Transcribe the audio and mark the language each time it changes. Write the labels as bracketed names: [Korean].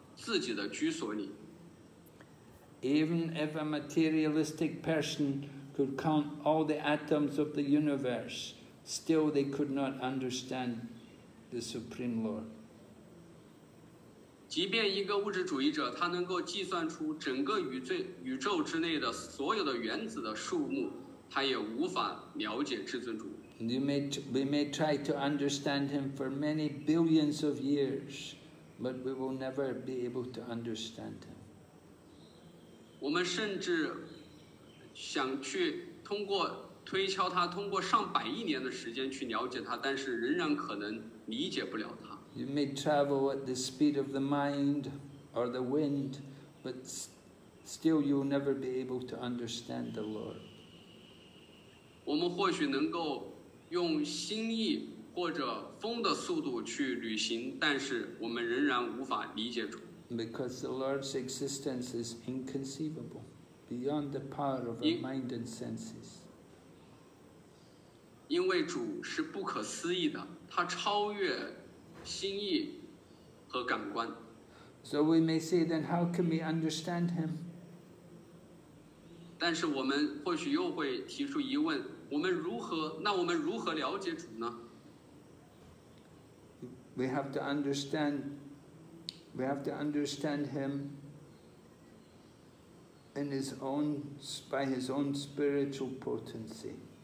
[Chinese] 自己的居所里。 [English] Even if a materialistic person could count all the atoms of the universe, still they could not understand the Supreme Lord. [Chinese] 即便一个物质主义者，他能够计算出整个宇宙之内的所有的原子的数目，他也无法了解至尊主。 [English] We may try to understand him for many billions of years, but we will never be able to understand him. [Chinese] 我们甚至想去通过推敲他，通过上百亿年的时间去了解他，但是仍然可能理解不了他。 [English] You may travel at the speed of the mind or the wind, but still you will never be able to understand the Lord. [Chinese] 我们或许能够用心意或者风的速度去旅行，但是我们仍然无法理解主。 [English] Because the Lord's existence is inconceivable, beyond the power of our mind and senses. [Chinese] 因为主是不可思议的，他超越心意和感官。 [English] So we may say, then how can we understand him? [Chinese] 但是我们或许又会提出疑问，那我们如何了解主呢？ [English] We have to understand him in his own, by his own spiritual potency.